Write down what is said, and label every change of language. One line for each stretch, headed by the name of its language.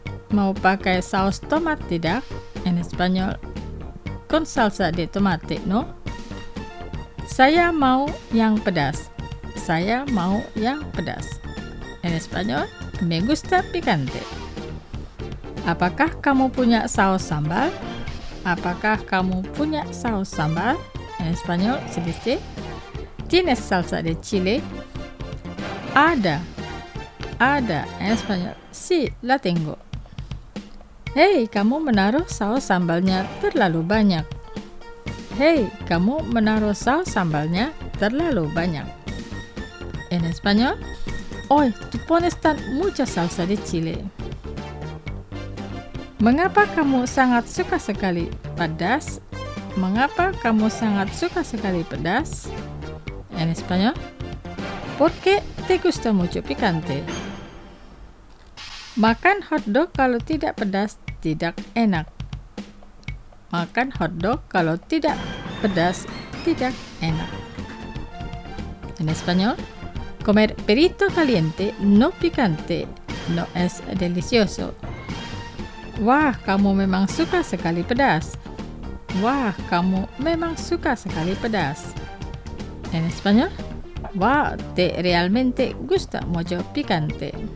Indonesian: Mau pakai saus tomat tidak?
Spanish: En español, con salsa de tomate, ¿no?
Indonesian: Saya mau yang pedas. Saya mau yang pedas.
Spanish: En español, me gusta picante.
Indonesian: Apakah kamu punya saus sambal? Apakah kamu punya saus sambal?
Spanish: En español, sedici. ¿Tienes salsa de chile?
Indonesian: Ada. Ada.
Spanish: En español, sí, la tengo.
Indonesian: Hey, kamu menaruh saus sambalnya terlalu banyak. Hey, kamu menaruh saus sambalnya terlalu banyak.
Spanish: En español, oy, tú pones tan mucha salsa de chile.
Indonesian: Mengapa kamu sangat suka sekali pedas? Mengapa kamu sangat suka sekali pedas?
Spanish: En español, ¿por qué te gusta mucho picante?
Indonesian: Makan hotdog kalau tidak pedas tidak enak. Makan hotdog kalau tidak pedas tidak enak.
Spanish: En español, comer perrito caliente no picante no es delicioso.
Indonesian: Wah, kamu memang suka sekali pedas. Wah, kamu memang suka sekali pedas.
Spanish: En español, wah, te realmente gusta mucho picante.